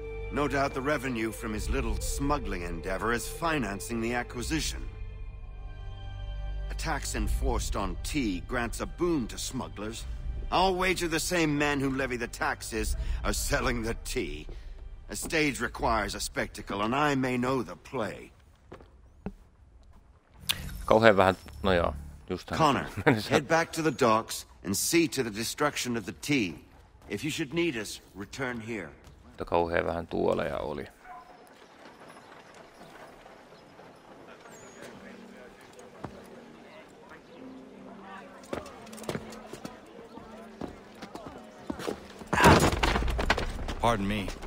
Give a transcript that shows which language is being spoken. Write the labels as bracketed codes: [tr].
[en] No doubt the revenue from his little smuggling endeavor is financing the acquisition. A tax enforced on tea grants a boon to smugglers. I'll wager the same men who levy the taxes are selling the tea. A stage requires a spectacle, and I may know the play. [fi] Kauhean vähän, no joo, just hän. [en] Connor, head back to the docks and see to the destruction of the tea. If you should need us, return here. [fi] Mutta kauhean vähän tuoleja oli. [en] Pardon me.